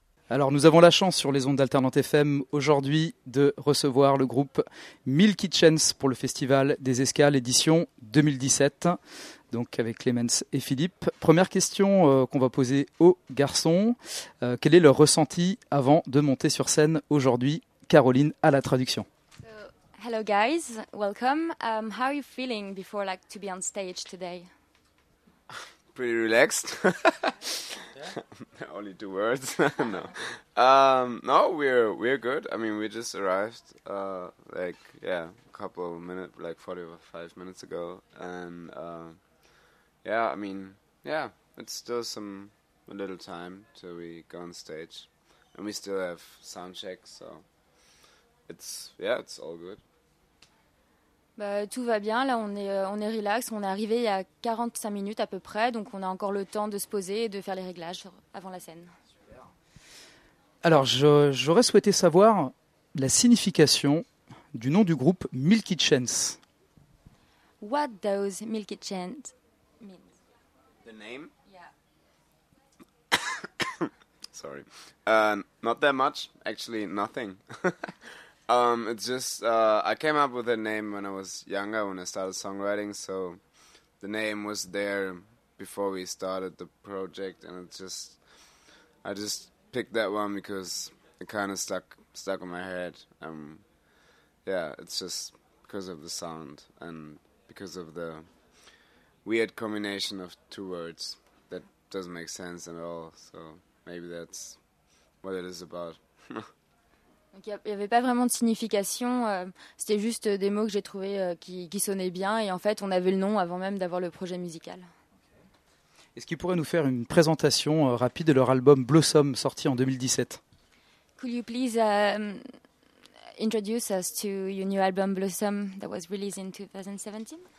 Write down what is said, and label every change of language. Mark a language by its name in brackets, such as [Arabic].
[French] Alors, nous avons la chance sur les ondes d'Alternant FM aujourd'hui de recevoir le groupe Milky Chance pour le Festival des Escales édition 2017, donc avec Clemens et Philippe. Première question qu'on va poser aux garçons, quel est leur ressenti avant de monter sur scène aujourd'hui? Caroline à la traduction. [English] Hello guys, welcome. How are you feeling before like to be on stage today? Pretty relaxed. Only two words. No. No, we're good. I mean, we just arrived a couple of minutes, like 45 minutes ago, and it's still a little time till we go on stage, and we still have sound checks, so it's all good. [French] Bah, tout va bien, là on est relax, on est arrivé il y a 45 minutes à peu près, donc on a encore le temps de se poser et de faire les réglages avant la scène. Alors j'aurais souhaité savoir la signification du nom du groupe Milky Chance. [English] What does Milky Chance mean? The name? Yeah. Sorry. Not that much, actually nothing. it's just, I came up with a name when I was younger, when I started songwriting, so the name was there before we started the project, and I just picked that one because it kind of stuck in my head. It's just because of the sound and because of the weird combination of two words that doesn't make sense at all, so maybe that's what it is about. [French] Donc il n'y avait pas vraiment de signification, c'était juste des mots que j'ai trouvés qui sonnaient bien et en fait on avait le nom avant même d'avoir le projet musical. Okay. Est-ce qu'ils pourraient nous faire une présentation rapide de leur album Blossom sorti en 2017? [English] Could you please introduce us to your new album Blossom that was released in 2017?